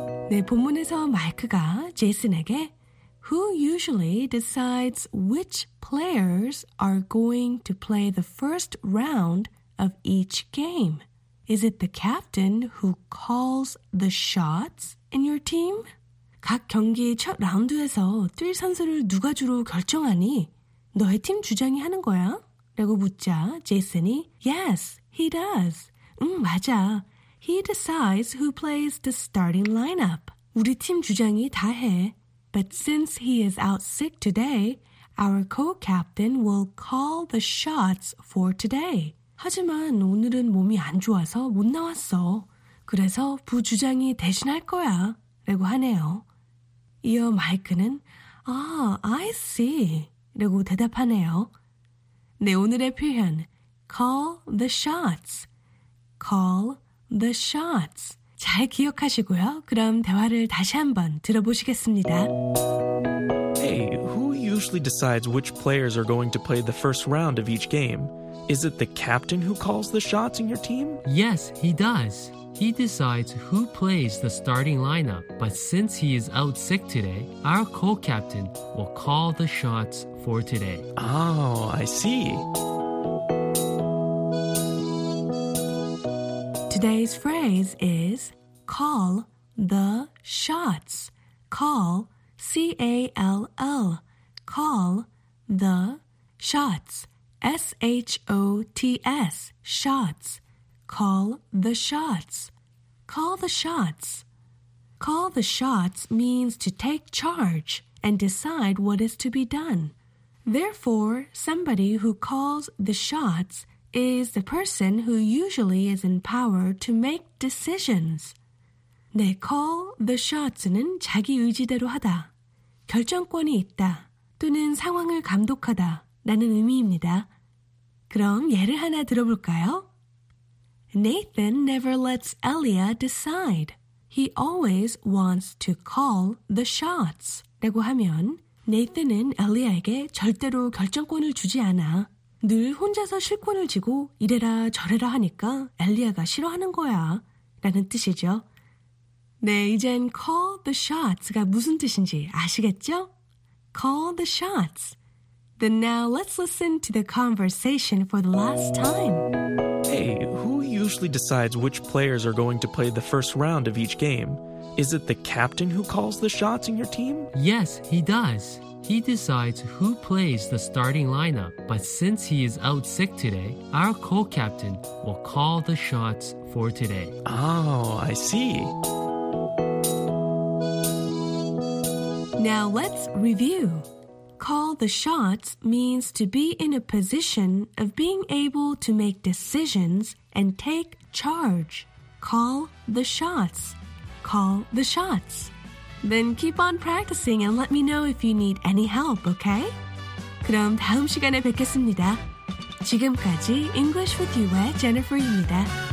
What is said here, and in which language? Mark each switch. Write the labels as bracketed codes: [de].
[ko] 네, 본문에서 마이크가 제이슨에게 [en] Who usually decides which players are going to play the first round of each game? Is it the captain who calls the shots in your team? [ko] 각 경기의 첫 라운드에서 뛸 선수를 누가 주로 결정하니? 너의 팀 주장이 하는 거야? 라고 묻자 제이슨이 [en] Yes, he does. [ko] 맞아. [en] He decides who plays the starting lineup. [ko] 우리 팀 주장이 다 해. [en] But since he is out sick today, our co-captain will call the shots for today. [ko] 하지만 오늘은 몸이 안 좋아서 못 나왔어. 그래서 부주장이 대신할 거야. 라고 하네요. 이어 마이크는 [en] I see. [ko] 라고 대답하네요. 네, 오늘의 표현 [en] Call the shots. Call the shots. [ko] 잘 기억하시고요. 그럼 대화를 다시 한번 들어보시겠습니다. [en] Hey, who usually decides which players are going to play the first round of each game? Is it the captain who calls the shots in your team? Yes, he does. He decides who plays the starting lineup, but since he is out sick today, our co-captain will call the shots for today. Oh, I see. Today's phrase is call the shots. Call, C-A-L-L, call the shots. S-H-O-T-S, shots. Call the shots. Call the shots. Call the shots means to take charge and decide what is to be done. Therefore, somebody who calls the shots is the person who usually is in power to make decisions. [ko] 네, call the shots는 자기 의지대로 하다, 결정권이 있다, 또는 상황을 감독하다 라는 의미입니다. 그럼 예를 하나 들어볼까요? [en] Nathan never lets Elia decide. He always wants to call the shots. [ko] 라고 하면 Nathan은 엘리아에게 절대로 결정권을 주지 않아. 늘 혼자서 실권을 지고 이래라 저래라 하니까 엘리아가 싫어하는 거야. 라는 뜻이죠. 네, 이젠 call the shots가 무슨 뜻인지 아시겠죠? [en] Call the shots. Then now let's listen to the conversation for the last time. Hey, who usually decides which players are going to play the first round of each game? Is it the captain who calls the shots in your team? Yes, he does. He decides who plays the starting lineup. But since he is out sick today, our co-captain will call the shots for today. Oh, I see. Now let's review. Call the shots means to be in a position of being able to make decisions and take charge. Call the shots. Call the shots. Then keep on practicing and let me know if you need any help, okay? [ko] 그럼 다음 시간에 뵙겠습니다. 지금까지 English with You의 Jennifer입니다.